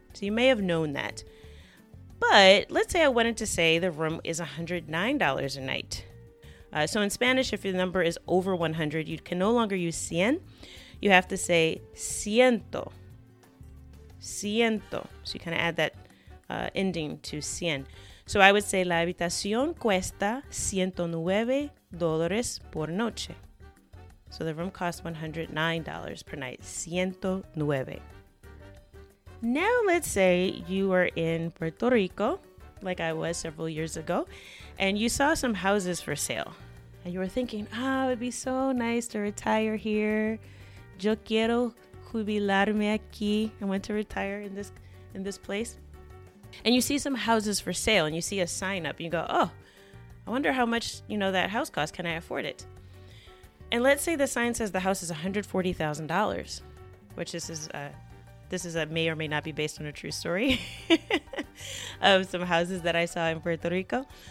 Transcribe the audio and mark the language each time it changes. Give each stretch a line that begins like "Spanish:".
English: So you may have known that. But let's say I wanted to say the room is $109 a night. So in Spanish, if your number is over 100, you can no longer use 100. You have to say ciento. Ciento. So you kind of add that ending to 100. So I would say
Spanish: la habitación cuesta $109 por noche.
English: So the room costs $109 per night. 109. Now let's say you are in Puerto Rico, like I was several years ago, and you saw some houses for sale. And you were thinking, ah, oh, it'd be so nice to retire here.
Spanish: Yo quiero jubilarme aquí.
English: I want to retire in this place. And you see some houses for sale, and you see a sign up. And you go, oh, I wonder how much, you know, that house costs. Can I afford it? And let's say the sign says the house is $140,000, which this is a may or may not be based on a true story of some houses that I saw in Puerto Rico.